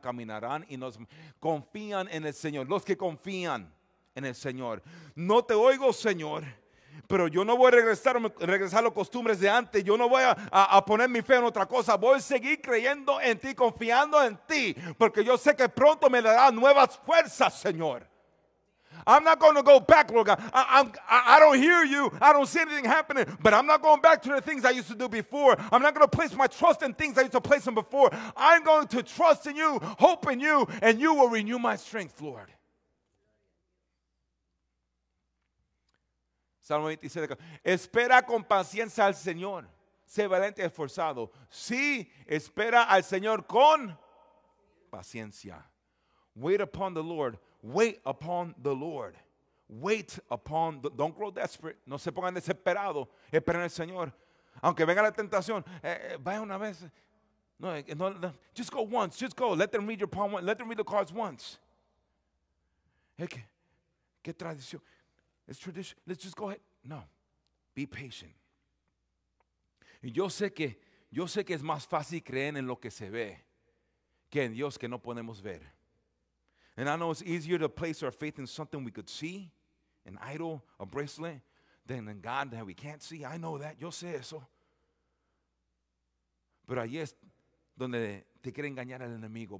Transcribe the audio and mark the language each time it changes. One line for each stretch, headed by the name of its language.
Spanish: Caminarán y no se confían en el Señor. Los que confían en el Señor. No te oigo, Señor. Pero yo no voy a regresar a las costumbres de antes. Yo no voy a poner mi fe en otra cosa. Voy a seguir creyendo en ti, confiando en ti. Porque yo sé que pronto me dará nuevas fuerzas, Señor.
English: I'm not going to go back, Lord God. I don't hear you. I don't see anything happening. But I'm not going back to the things I used to do before. I'm not going to place my trust in things I used to place in before. I'm going to trust in you, hope in you, and you will renew my strength, Lord.
Spanish: Salmo 27, espera con paciencia al Señor, sé valiente y esforzado. Sí, espera al Señor con paciencia.
English: Wait upon the Lord, wait upon the Lord, wait upon the, don't grow desperate,
Spanish: no se pongan desesperados, esperen al Señor. Aunque venga la tentación, vaya una vez, no,
English: just go once, just go, let them read your palm, let them read the cards once.
Spanish: ¿Qué tradición?
English: It's tradition. Let's just go ahead. No. Be patient.
Spanish: Yo sé que es más fácil creer en lo que se ve que en Dios que no podemos ver.
English: And I know it's easier to place our faith in something we could see, an idol, a bracelet, than in God that we can't see. I know that.
Spanish: Yo sé eso. Pero ahí es donde te quiere engañar el enemigo.